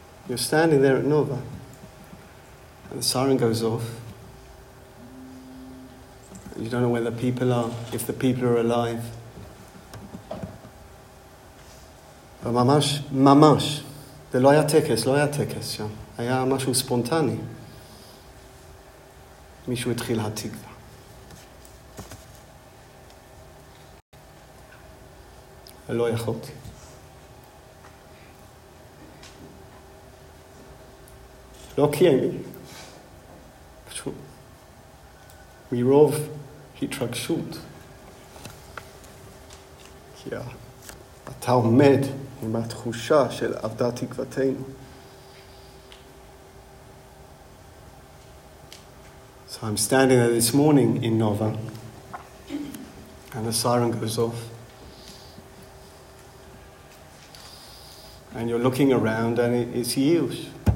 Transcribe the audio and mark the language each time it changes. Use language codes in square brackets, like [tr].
[en] You're standing there at Nova. And the siren goes off. You don't know where the people are, if the people are alive. [he] וממש, ממש, זה לא היה טקס, לא היה טקס שם. היה משהו ספונטני. מישהו התחיל התקווה. ולא יכולתי. לא קיימי. פשוט. מרוב התרגשות. כי אתה עומד עם התחושה של עבדה תקוותינו. [en] So I'm standing there this morning in Nova and the siren goes off. And you're looking around and it's Yush.